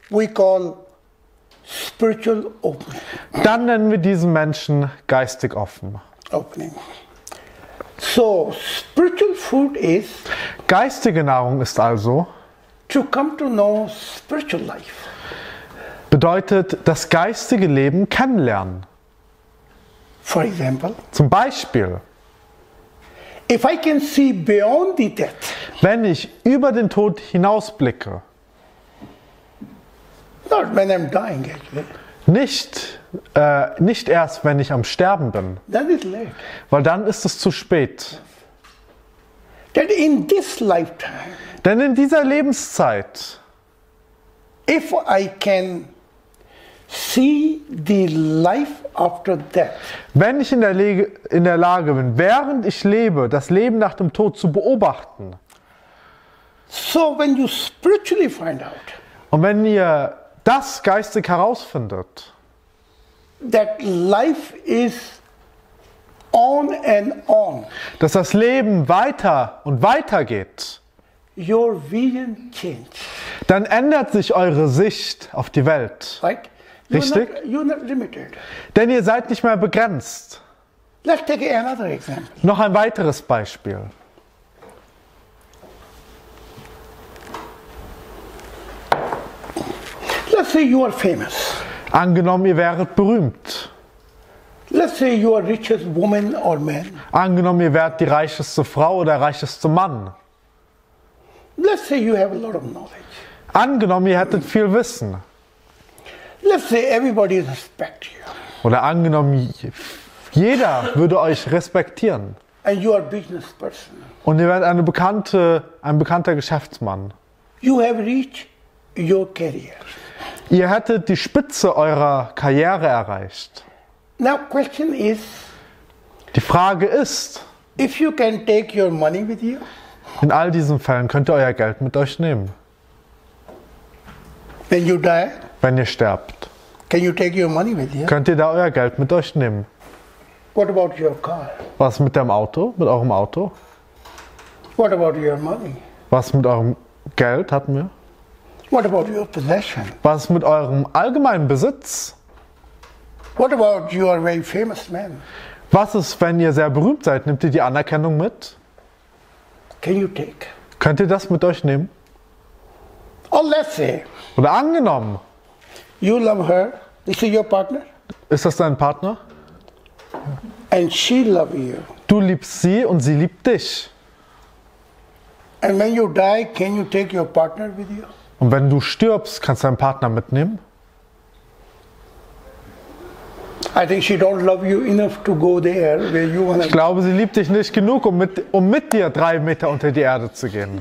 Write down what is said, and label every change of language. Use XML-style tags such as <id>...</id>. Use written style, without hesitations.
<en>we call spiritual opening.</en> <de>Dann nennen wir diesen Menschen geistig offen.</de> <en>Opening. So, spiritual food is,</en> <de>geistige Nahrung ist also,</de> <en>to come to know spiritual life.</en> <de>Bedeutet, das geistige Leben kennenlernen.</de> <en>For example,</en> <de>zum Beispiel,</de> <en>if I can see beyond the death,</en> <de>wenn ich über den Tod hinausblicke,</de> <en>not when I'm dying,</en> <de>nicht erst, wenn ich am Sterben bin,</de> <en>that is late.</en> <de>Weil dann ist es zu spät.</de> <en>That in this lifetime,</en> <de>denn in dieser Lebenszeit,</de> <en>if I can see the life after death,</en> <de>wenn ich in der Lage bin, während ich lebe, das Leben nach dem Tod zu beobachten.</de> <en>So when you spiritually find out,</en> <de>und wenn ihr das geistig herausfindet,</de> <en>that life is on and on,</en> <de>dass das Leben weiter und weiter geht,</de> <en>your vision change,</en> <de>dann ändert sich eure Sicht auf die Welt.</de> <en>Right?</en> <de>Richtig?</de> <en>You're not limited.</en> <de>Denn ihr seid nicht mehr begrenzt.</de> <en>Let's take another example.</en> <de>Noch ein weiteres Beispiel.</de> <en>Let's say you are famous.</en> <de>Angenommen, ihr wäret berühmt.</de> <en>Let's say you are richest woman or man.</en> <de>Angenommen, ihr wärt die reicheste Frau oder reicheste Mann.</de> <en>Let's say you have a lot of knowledge.</en> <de>Angenommen, ihr hättet viel Wissen.</de> <en>Let's say everybody respects you.</en> <de>Oder angenommen, jeder würde euch respektieren.</de> <en>And you are a business person.</en> <de>Und ihr werdet ein bekannter Geschäftsmann.</de> <en>You have reached your career.</en> <de>Ihr hättet die Spitze eurer Karriere erreicht.</de> <en>Now question is,</en> <de>die Frage ist,</de> <en>if you can take your money with you,</en> <de>in all diesen Fällen könnt ihr euer Geld mit euch nehmen.</de> <en>When you die,</en> <de>wenn ihr sterbt,</de> <en>can you take your money with you?</en> <de>Könnt ihr da euer Geld mit euch nehmen?</de> <en>What about your car?</en> <de>Was mit dem Auto? Mit eurem Auto?</de> <en>What about your money?</en> <de>Was mit eurem Geld hatten wir?</de> <en>What about your possession?</en> <de>Was mit eurem allgemeinen Besitz?</de> <en>What about your very famous man?</en> <de>Was ist, wenn ihr sehr berühmt seid? Nehmt ihr die Anerkennung mit?</de> <en>Can you take?</en> <de>Könnt ihr das mit euch nehmen?</de> <en>Or let's say,</en> <de>oder angenommen,</de> <en>you love her. Is she your partner?</en> <de>Ist das dein Partner?</de> <en>And she love you.</en> <de>Du liebst sie und sie liebt dich.</de> <en>And when you die, can you take your partner with you?</en> <de>Und wenn du stirbst, kannst du deinen Partner mitnehmen?</de> <en>I think she don't love you enough to go there where you wanna.</en> <de>Ich glaube, sie liebt dich nicht genug, um mit dir 3 Meter unter die Erde zu gehen.</de>